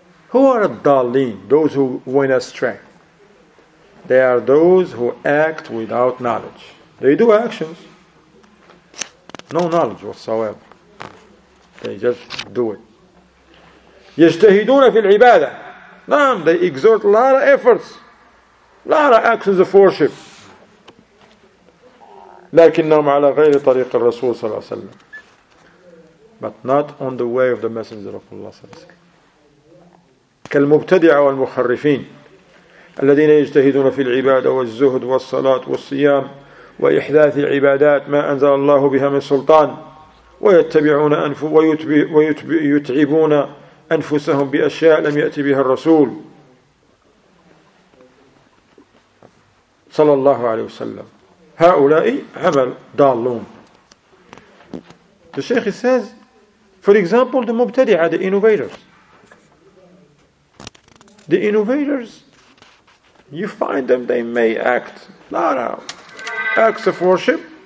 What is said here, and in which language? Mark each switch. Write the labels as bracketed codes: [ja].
[en] Who are الضالين? Those who went astray. They are those who act without knowledge. They do actions. No knowledge whatsoever. They just do it. [ar] يجتهدون في العبادة. نعم, [en] they exert a lot of efforts. A lot of actions of worship. [ar] لكنهم على غير طريق الرسول صلى الله عليه وسلم. [en] But not on the way of the Messenger of Allah صلى الله عليه وسلم. [ar] كالمبتدع والمخرفين الذين يجتهدون في العبادة والزهد والصلاة والصيام وإحداث العبادات ما أنزل الله بها من سلطان ويتبعون أنف ويتعبون أنفسهم بأشياء لم يأتي بها الرسول صلى الله عليه وسلم. هؤلاء عمل ضالون. [en] الشيخ says, for example, the مبتدعه, the innovators. The innovators, you find them, they may act not out. Acts of worship.